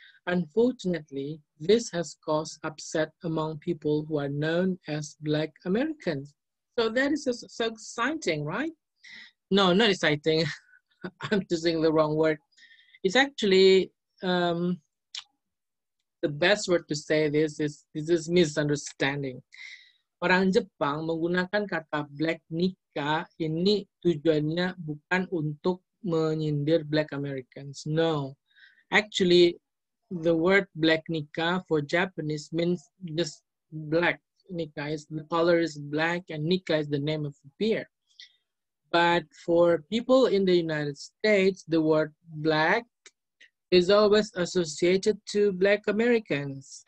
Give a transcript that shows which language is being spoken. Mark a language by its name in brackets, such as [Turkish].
[English] Unfortunately, this has caused upset among people who are known as Black Americans. So that is so exciting, right? No, not exciting. I'm using the wrong word. It's actually The best word to say this is misunderstanding. [Indonesian] Orang Jepang menggunakan kata black nikah ini tujuannya bukan untuk menyindir black Americans. [English] No. Actually, the word black nikah for Japanese means just black. Nikah is the color is black and nikah is the name of the beer. But for people in the United States, the word black is always associated to black Americans.